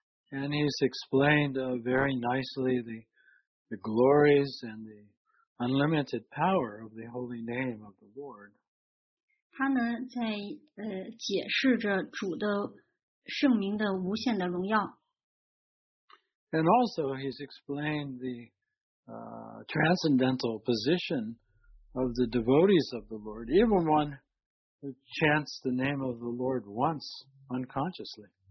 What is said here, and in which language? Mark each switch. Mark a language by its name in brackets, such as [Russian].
[English] And he's explained very nicely the glories and the unlimited power of the holy name of the Lord. [Chinese] 他呢在解释着主的圣名的无限的荣耀。 [English] And also he's explained the transcendental position of the devotees of the Lord, even one who chants the name of the Lord once unconsciously.